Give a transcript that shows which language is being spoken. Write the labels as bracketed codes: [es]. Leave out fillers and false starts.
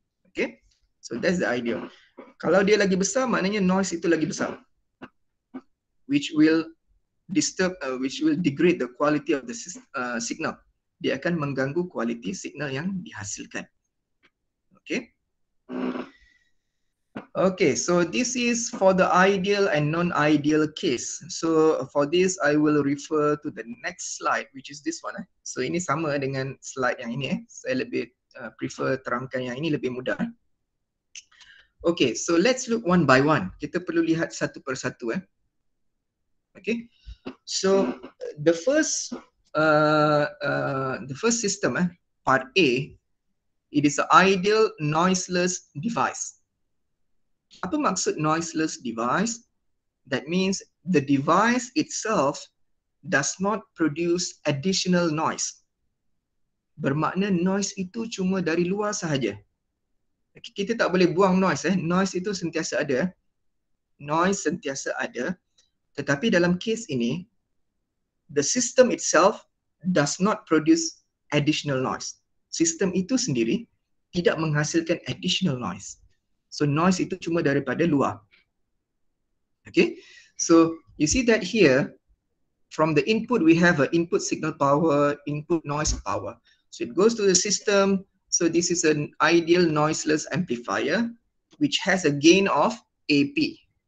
[en] Okay, so that's the idea. [ms] Kalau dia lagi besar, [en] maknanya noise itu lagi besar, which will disturb, which will degrade the quality of the signal. [ms] Dia akan mengganggu quality signal yang dihasilkan. Okay. [en] Okay, so this is for the ideal and non-ideal case. So for this, I will refer to the next slide, which is this one. [ms] So ini sama dengan slide yang ini. Saya lebih prefer terangkan yang ini lebih mudah. [en] Okay, so let's look one by one. [ms] Kita perlu lihat satu per satu. [en] Okay, so the first system, part A, it is an ideal noiseless device. [ms] Apa maksud noiseless device? [en] That means the device itself does not produce additional noise. [ms] Bermakna noise itu cuma dari luar sahaja. Kita tak boleh buang noise. Noise itu sentiasa ada. Noise sentiasa ada. Tetapi dalam kes ini, [en] the system itself does not produce additional noise. [ms] Sistem itu sendiri tidak menghasilkan additional noise. So noise itu cuma daripada luar. [en] Okay, so you see that here, from the input we have an input signal power, input noise power. So it goes to the system. So this is an ideal noiseless amplifier, which has a gain of AP.